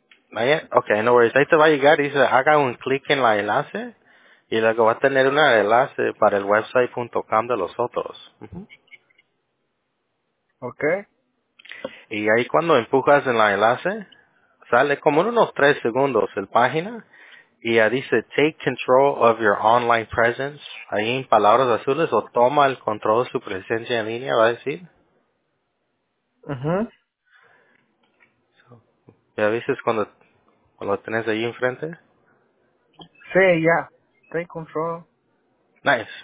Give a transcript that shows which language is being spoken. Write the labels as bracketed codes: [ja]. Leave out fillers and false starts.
[en] Okay, no worries. [es] Ahí te va a llegar y dice, haga un clic en la enlace. Y luego va a tener un enlace para el website.com de los otros. [en] Uh-huh. Okay. [es] Y ahí cuando empujas en el enlace, sale como en unos 3 segundos el página. Y ya dice, [en] take control of your online presence. [es] Ahí en palabras azules, o toma el control de su presencia en línea, va a decir. Uh-huh. ¿Ya dices cuando lo tienes ahí enfrente? Sí, ya. [en] Yeah. Take control. Nice.